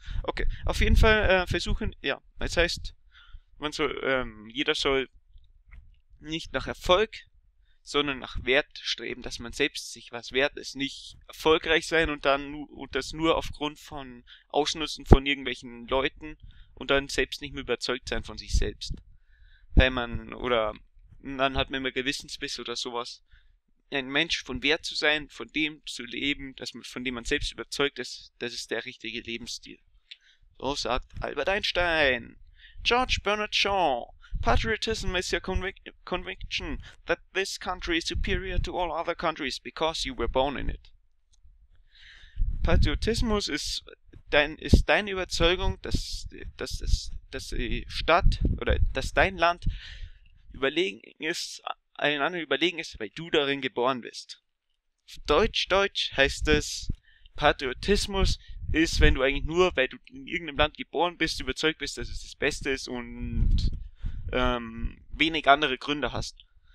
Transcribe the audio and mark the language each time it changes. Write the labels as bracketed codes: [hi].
[de] Okay, auf jeden Fall versuchen, ja, das heißt, man soll, jeder soll nicht nach Erfolg, sondern nach Wert streben, dass man selbst sich was wert ist, nicht erfolgreich sein und das nur aufgrund von Ausnutzen von irgendwelchen Leuten und dann selbst nicht mehr überzeugt sein von sich selbst. Weil man, oder dann hat man immer Gewissensbiss oder sowas. Ein Mensch von Wert zu sein, von dem zu leben, von dem man selbst überzeugt ist, das ist der richtige Lebensstil. So sagt Albert Einstein. George Bernard Shaw. [en] Patriotism is your conviction that this country is superior to all other countries because you were born in it. [de] Patriotismus ist deine Überzeugung, dass die Stadt oder dass dein Land überlegen ist, allen anderen überlegen ist, weil du darin geboren bist. Deutsch heißt es, Patriotismus ist, wenn du eigentlich nur, weil du in irgendeinem Land geboren bist, überzeugt bist, dass es das Beste ist und wenig andere Gründe hast.